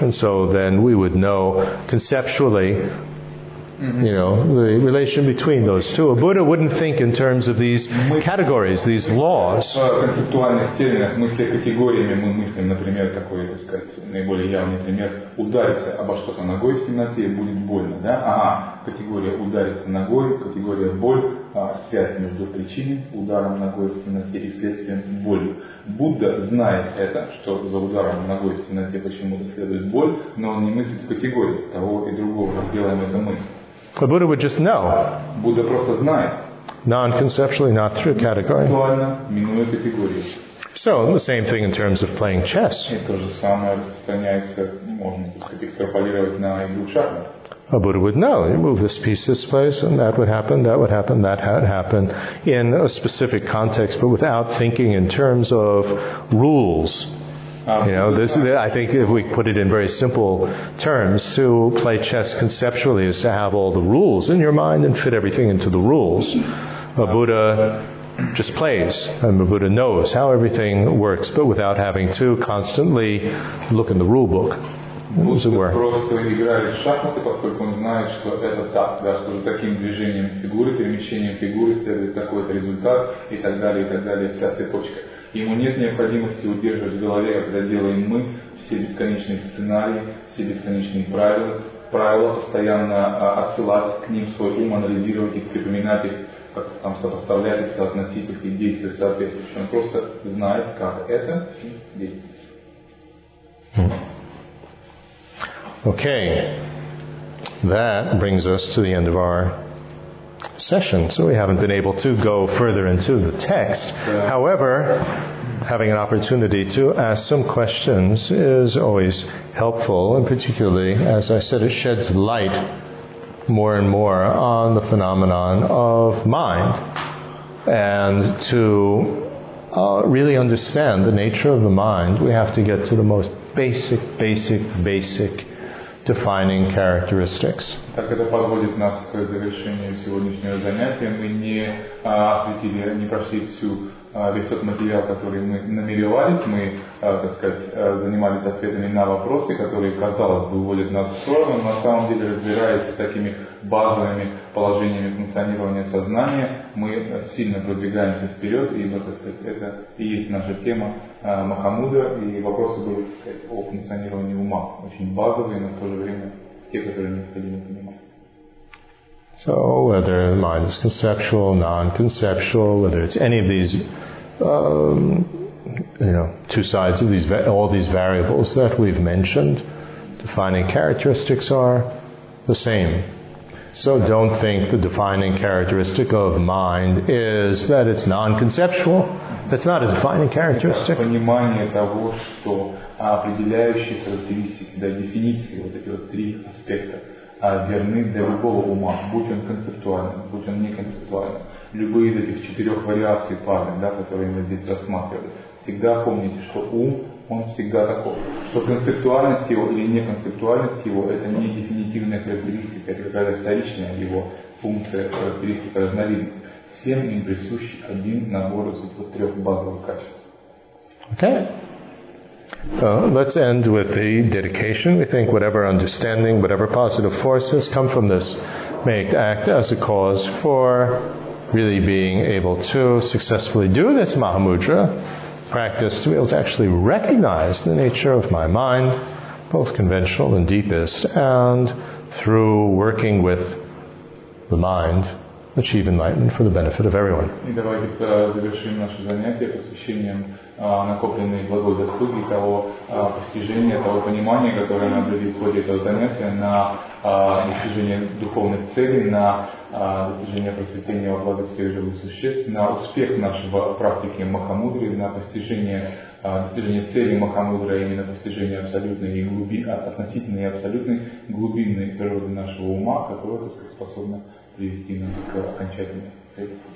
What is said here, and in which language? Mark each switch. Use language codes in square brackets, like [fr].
[en] And so then we would know conceptually, you know, the relation between those two. A Buddha wouldn't think in terms of these categories, these laws. [ru] В концептуальных терминах мысли категориями мы мыслим, например, такой, так сказать, наиболее явный пример, удариться обо что-то ногой в темноте будет больно, да? Категория удариться ногой, категория боль, связь между причиной, ударом ногой в темноте и следствием боли. Будда знает это, что за ударом ногой в темноте почему-то следует боль, но он не мыслит в категории того и другого, как делаем это мы. [en] The Buddha would just know. [ru] Buddha просто знает. [en] Non-conceptually, not through category. [ru] Буквально, минуя категорию. [en] So, the same thing in terms of playing chess. [ru] И то же самое распространяется, можно экстраполировать на игру в шахматы. [en] A Buddha would know, you move this piece this place, and that would happen, that would happen, that had happened in a specific context, but without thinking in terms of rules. You know, this, I think if we put it in very simple terms, to play chess conceptually is to have all the rules in your mind and fit everything into the rules. A Buddha just plays, and the Buddha knows how everything works, but without having to constantly look in the rule book. [ru] Будда просто играет в шахматы, поскольку он знает, что это так, да, что за таким движением фигуры, перемещением фигуры следует такой-то результат и так далее, вся цепочка. Ему нет необходимости удерживать в голове, когда делаем мы, все бесконечные сценарии, все бесконечные правила, правила постоянно отсылать к ним свой ум, анализировать их, припоминать их, как там сопоставлять их, соотносить их и действовать соответствующе. Он просто знает, как это действовать. [en] Okay, that brings us to the end of our session. So we haven't been able to go further into the text. However, having an opportunity to ask some questions is always helpful, and particularly, as I said, it sheds light more and more on the phenomenon of mind, and to really understand the nature of the mind, we have to get to the most basic defining characteristics. [ru] Так это подводит нас к завершению сегодняшнего занятия. Мы не осветили, не прошли всю весь тот материал, который мы намеревались. Мы, так сказать, занимались ответами на вопросы, которые, казалось бы, уводят нас в сторону. Но на самом деле, разбираясь с такими базовыми положениями функционирования сознания, мы сильно продвигаемся вперед, и, так сказать, это и есть наша тема махамудра, и вопросы были, так сказать, о функционировании ума. Очень базовые, но в то же время те, которые необходимо понимать. [en] So whether the mind is conceptual, non-conceptual, whether it's any of these, two sides of these, all these variables that we've mentioned, defining characteristics are the same. So don't think the defining characteristic of mind is that it's non-conceptual. That's not a defining characteristic. [ru] Понимание того, что определяющие характеристики, да, дефиниции, вот эти вот три аспекта, верны для любого ума, будь он концептуальным, будь он неконцептуальным. Любые из этих четырех вариаций парни, да, которые мы здесь рассматривали, всегда помните, что ум, он всегда такой. Что концептуальность его или неконцептуальность его, это не дефинитивная характеристика, это какая-то вторичная его функция, характеристика, разновидность. Всем им присущ один набор из этих трех базовых качеств. [en] Okay. Let's end with the dedication. We think whatever understanding, whatever positive forces come from this may act as a cause for really being able to successfully do this Mahamudra practice, to be able to actually recognize the nature of my mind, both conventional and deepest, and through working with the mind, achieve enlightenment for the benefit of everyone. [ru] И давайте завершим наше занятие посвящением накопленной благой заслуги того постижения, того понимания, которое мы обрели в ходе этого занятия на достижение духовных целей, на достижение просветления во благо всех живых существ, на успех нашего практики Махамудры, на достижение цели Махамудры, а именно постижение абсолютной относительной и абсолютной глубинной природы нашего ума, которая, так сказать, способна привести нас к окончательной цели.